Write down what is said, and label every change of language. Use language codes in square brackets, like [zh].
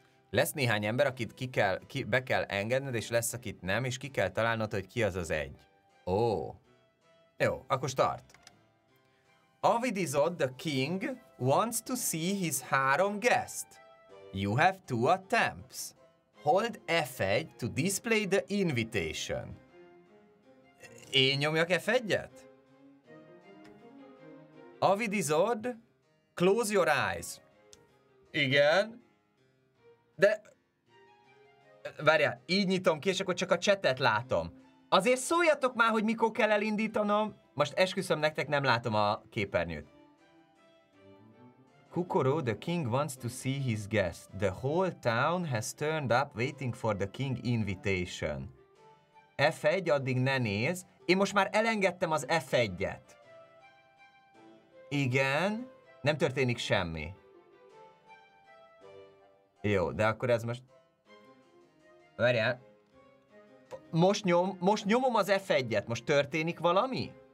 [hu] Lesz néhány ember, akit be kell engedned, és lesz, akit nem, és ki kell találnod, hogy ki az az egy. Ó. Jó, akkor start. [en] Avidizod, the king, wants to see his 3 guest. You have 2 attempts. Hold F1 to display the invitation. [hu] Én nyomjak F1-et? [en] Avidizod, close your eyes. [hu] Igen. De... Várjál, így nyitom ki, és akkor csak a chatet látom. Azért szóljatok már, hogy mikor kell elindítanom. Most esküszöm nektek, nem látom a képernyőt. [en] Kukoro, the king wants to see his guest. The whole town has turned up waiting for the king invitation. [hu] F1, addig ne néz. Én most már elengedtem az F1-et. Igen, nem történik semmi. Jó, de akkor ez most... Várjál. Most nyomom az F1-et, most történik valami?